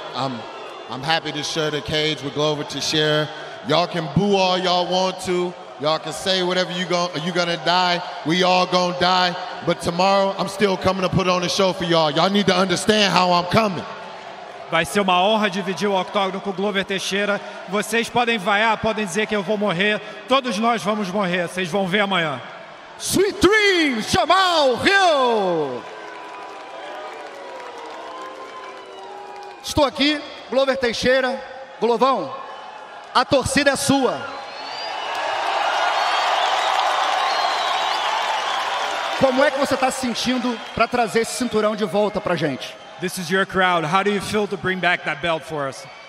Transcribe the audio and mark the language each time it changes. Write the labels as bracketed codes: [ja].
[en] I'm happy to share the cage with Glover Teixeira. Y'all can boo all y'all want to. Y'all can say whatever you gonna die. We all gonna die. But tomorrow, I'm still coming to put on a show for y'all. Y'all need to understand how I'm coming. [pt] Vai ser uma honra dividir o octógono com Glover Teixeira. Vocês podem vaiar, podem dizer que eu vou morrer. Todos nós vamos morrer. Vocês vão ver amanhã. [en] Sweet Dreams, Jamahal Hill! [pt] Estou aqui, Glover Teixeira. Glovão, a torcida é sua. Como é que você está se sentindo para trazer esse cinturão de volta para a gente? [en] This is your crowd. How do you feel to bring back that belt for us?